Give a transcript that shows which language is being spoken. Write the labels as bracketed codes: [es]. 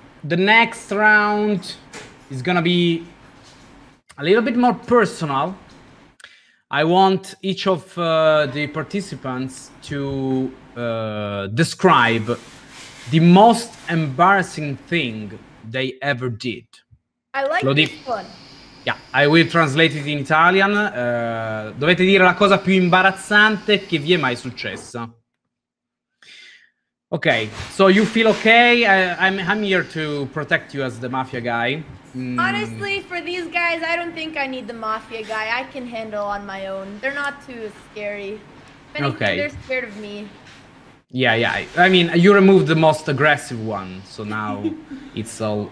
[en] The next round is gonna be a little bit more personal. I want each of the participants to describe the most embarrassing thing they ever did. I like this one. Yeah, I will translate it in Italian. [it] Dovete dire la cosa più imbarazzante che vi è mai successa. [en] Okay, so you feel okay? I'm here to protect you as the mafia guy. Mm. Honestly, for these guys, I don't think I need the mafia guy. I can handle on my own. They're not too scary. If anything, okay. They're scared of me. Yeah, yeah. I mean, you removed the most aggressive one, so now it's all